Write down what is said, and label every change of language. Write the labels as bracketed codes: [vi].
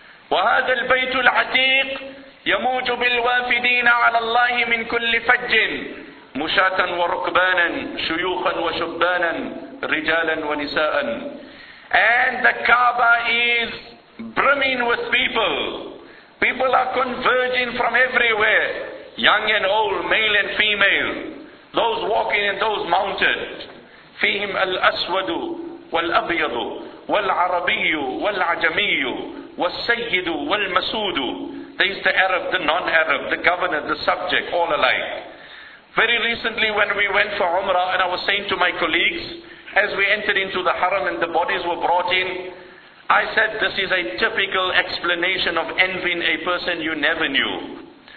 [ar] وَهَذَا الْبَيْتُ الْعَتِيقُ يَمُوجُ بِالْوَافِدِينَ عَلَى اللَّهِ مِنْ كُلِّ فَجٍّ مُشَاتًا وَرُكْبَانًا شُيُوخًا وَشُبَّانًا رِجَالًا وَنِسَاءً. [en] And the Kaaba is brimming with people. People are converging from everywhere. Young and old, male and female. Those walking and those mounted. [ar] فيهم الأسود والأبيض والعربي والعجمي والسيد والمسود. [en] There is the Arab, the non-Arab, the governor, the subject, all alike. Very recently when we went for Umrah, and I was saying to my colleagues, as we entered into the Haram and the bodies were brought in, I said this is a typical explanation of envying a person you never knew.